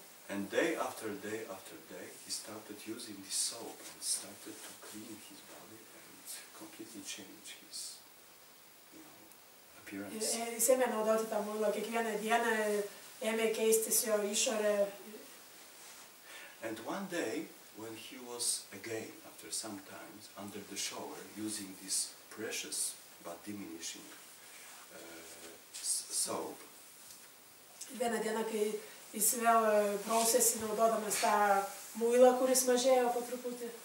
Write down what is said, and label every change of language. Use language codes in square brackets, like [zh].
[en] And day after day, he started using this soap and started to clean his body and completely change his, you know, appearance. [lt] Jis ėmė naudoti tą muilą kiekvieną dieną, ėmė keistis jo išorė. [en] And one day when he was again after some time under the shower using this precious but diminishing soap. [lt] Vieną dieną, kai jis vėl prausėsi naudodamas tą muilą, kuris mažėjo po truputį.